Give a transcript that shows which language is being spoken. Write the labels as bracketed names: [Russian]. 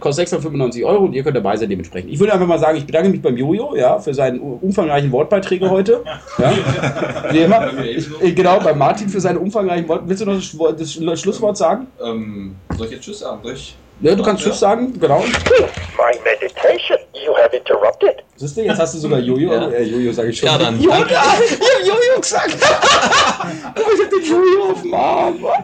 [German] Kostet 695 Euro und ihr könnt dabei sein dementsprechend. Ich würde einfach mal sagen, ich bedanke mich beim Jojo, ja, für seine umfangreichen Wortbeiträge heute. Ja. Wie immer. Genau, bei Martin für seine umfangreichen Wortbeiträge. Willst du noch das Schlusswort sagen? Soll ich jetzt Tschüss sagen? Ja, du kannst Tschüss sagen, genau. [English] My meditation, you have interrupted. [German] Siehst du, jetzt hast du sogar Jojo, Jojo, sag ich schon. Ja, dann. Jojo, ich hab Jojo gesagt. Oh, ich hab den Jojo auf dem Arm.